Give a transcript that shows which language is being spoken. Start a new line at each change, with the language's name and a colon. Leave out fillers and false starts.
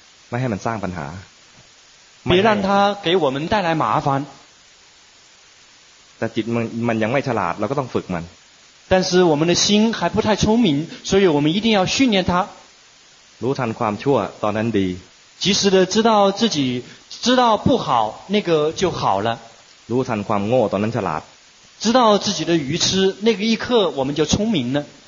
Thai: ไม่ให้มันสร้างปัญหา
Chinese: 别让它给我们带来麻烦
Thai: แต่จิตมันยังไม่ฉลาดเราก็ต้องฝึกมัน
Chinese: 但是我们的心还不太聪明所以我们一定要训练它
Thai: รู้ทันความชั่วตอนนั้นดี
Chinese: 及时的知道自己知道不好那个就好了
Thai: รู้ทันความโง่ตอนนั้นฉลาด
Chinese: 知道自己的愚痴那个一刻我们就聪明了